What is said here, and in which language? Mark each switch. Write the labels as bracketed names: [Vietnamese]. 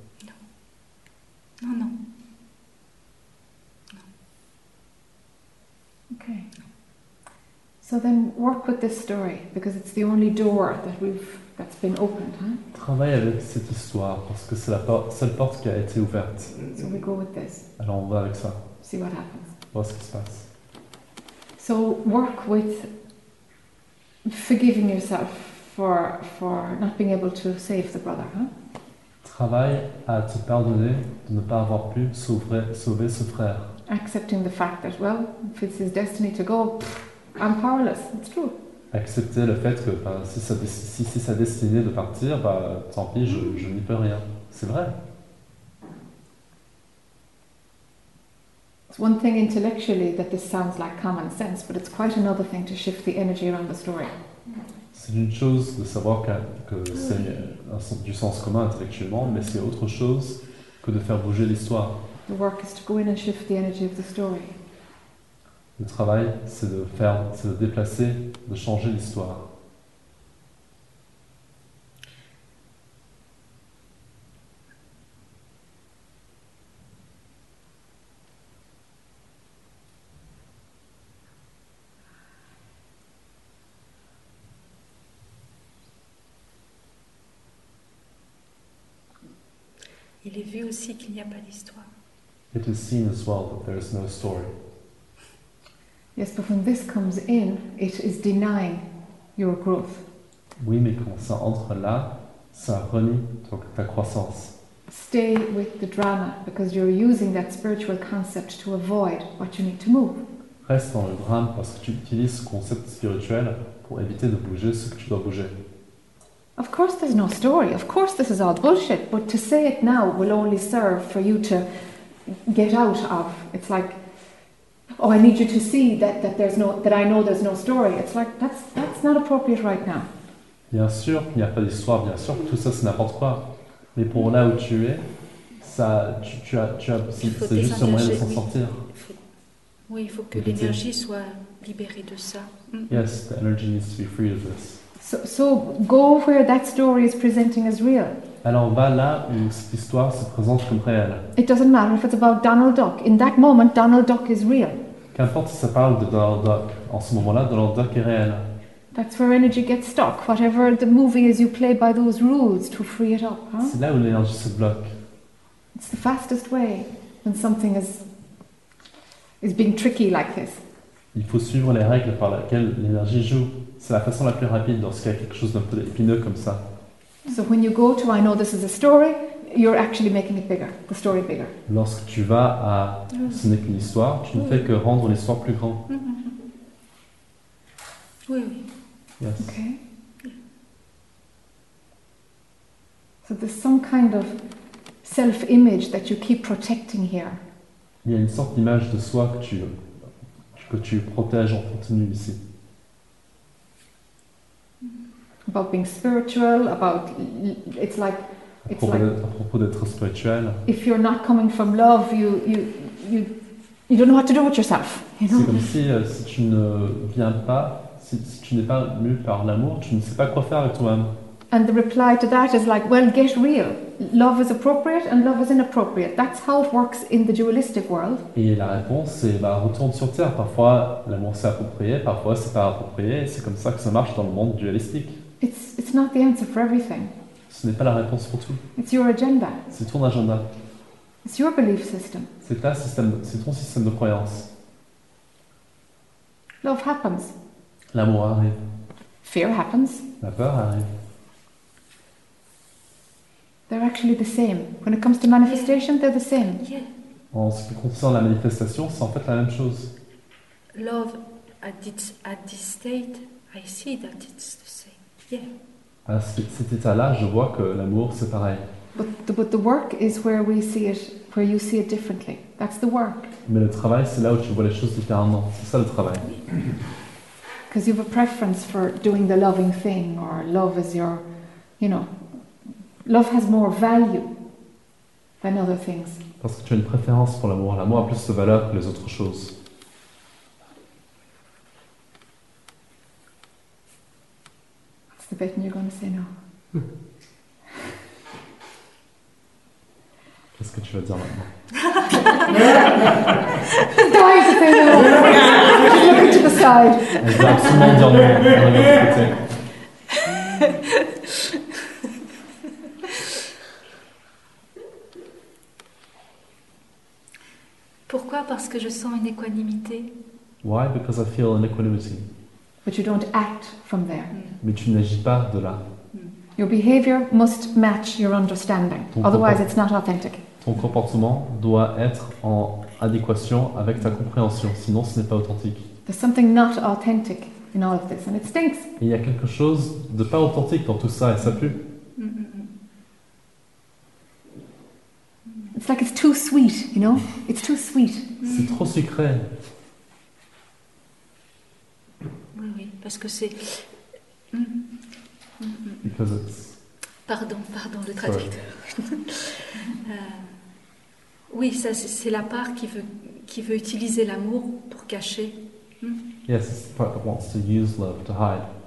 [French] Non. Non, non. [English] Okay. So then work with this story because it's the only door that that's been opened, huh? [French] Travaille avec cette histoire parce que c'est la seule porte qui a été ouverte. [English] So we go with this. [French] Alors on va avec ça. [English] See what happens. [French] Voir ce qui se passe. [English] So work with forgiving yourself for not being able to save the brother, huh? [French] Travaille à te pardonner de ne pas avoir pu sauver ce frère. [English] Accepting the fact that, well, if it's his destiny to go, I'm powerless. It's true. [French] Accepter le fait que ben, si c'est sa destinée de partir, ben, tant pis, je n'y peux rien. C'est vrai. [English] It's one thing intellectually that this sounds like common sense, but it's quite another thing to shift the energy around the story. [French] C'est une chose de savoir que c'est du sens commun intellectuellement, mais c'est autre chose que de faire bouger l'histoire. [English] The work is to go in and shift the energy of the story. [French] Le travail, c'est de déplacer, de changer l'histoire. Il est vu aussi qu'il n'y a pas d'histoire. [English] It is seen as well that there is no story. Yes, but when this comes in, it is denying your growth. [French] Oui, mais quand ça entre là, ça renie ta croissance. [English] Stay with the drama, because you're using that spiritual concept to avoid what you need to move. [French] Reste dans le drame, parce que tu utilises ce concept spirituel pour éviter de bouger ce que tu dois bouger. [English] Of course there's no story, of course this is all bullshit, but to say it now will only serve for you to get out of. It's like, oh, I need you to see that I know there's no story. It's like that's not appropriate right now. [French] Bien sûr qu'il n'y a pas d'histoire, bien sûr que tout ça c'est n'importe quoi. Mais pour là où tu es, ça tu as c'est juste un moyen de s'en sortir. Oui, il faut que l'énergie soit libérée de ça. [English] Yes, the energy needs to be free of this. So go where that story is presenting as real. [French] Alors va là où cette histoire se présente comme réelle. [English] It doesn't matter if it's about Donald Duck. In that moment, Donald Duck is real. [French] Qu'importe si ça parle de Donald Duck. En ce moment-là, Donald Duck est réel. [English] That's where energy gets stuck. Whatever the movie is, you play by those rules to free it up. Huh? [French] C'est là où l'énergie se bloque. [English] It's the fastest way when something is being tricky like this. [French] Il faut suivre les règles par lesquelles l'énergie joue. C'est la façon la plus rapide lorsqu'il y a quelque chose d'un peu épineux comme ça. [English] So when you go to, I know this is a story, you're actually making it bigger, the story bigger. [French] Lorsque tu vas à, ce n'est qu'une histoire, tu ne fais que rendre l'histoire plus grande. Oui, oui. [English] Yes. Okay. So there's some kind of self-image that you keep protecting here. [French] Il y a une sorte d'image de soi que tu protèges en continu ici. [English] About being spiritual, about it's like it's [French] à propos [English] like [French] de, à propos d'être spirituel. [English] If you're not coming from love, you don't know what to do with yourself. You know? [French] C'est comme si tu ne viens pas, si tu n'es pas mu par l'amour, tu ne sais pas quoi faire avec toi-même. [English] And the reply to that is like, well, get real. Love is appropriate and love is inappropriate. That's how it works in the dualistic world. [French] Et la réponse c'est retourne sur terre. Parfois l'amour c'est approprié, parfois c'est pas approprié. C'est comme ça que ça marche dans le monde dualistique. [English] It's not the answer for everything. [French] Ce n'est pas la réponse pour tout. [English] It's your agenda. [French] C'est ton agenda. [English] It's your belief system. [French] C'est ton système de croyance. [English] Love happens. [French] L'amour arrive. [English] Fear happens. [French] La peur arrive. [English] They're actually the same. When it comes to manifestation, they're the same. Yeah. [French] En ce qui concerne la manifestation, c'est en fait la même chose. [English] Love at this state, I see that it's the same. Yeah. [French] À cet état-là, je vois que l'amour, c'est pareil. [English] But the work is where we see it, where you see it differently. That's the work. [French] Mais le travail, c'est là où tu vois les choses différemment. C'est ça le travail. [English] Because you have a preference for doing the loving thing, or love is your, you know, love has more value. than other things. [French] Parce que tu as une préférence pour l'amour. L'amour a plus de valeur que les autres choses. [English] What's the bet you're going to say now? [French] Qu'est-ce que tu vas dire maintenant? [English] Die to say no! Keep looking to the side! [French] Elle va absolument dire non, on va l'écouter. Pourquoi? Parce que je sens une équanimité. [English] Why? Because I feel an equanimity. But you don't act from there. [French] Mais tu n'agis pas de là. [English] Your behavior must match your understanding. Otherwise, it's not authentic. [French] Ton comportement doit être en adéquation avec ta compréhension, sinon ce n'est pas authentique. [English] There's something not authentic in all of this, and it stinks. [French] Et il y a quelque chose de pas authentique dans tout ça, et ça pue. [English] It's like it's too sweet, you know? It's too sweet. [French] C'est trop sucré. Oui, oui, parce que c'est... [English] Because it's... [French] Pardon, le traducteur. Oui, ça, c'est la part qui veut utiliser l'amour pour cacher. [English] Yes, it's the part that wants to use love to hide.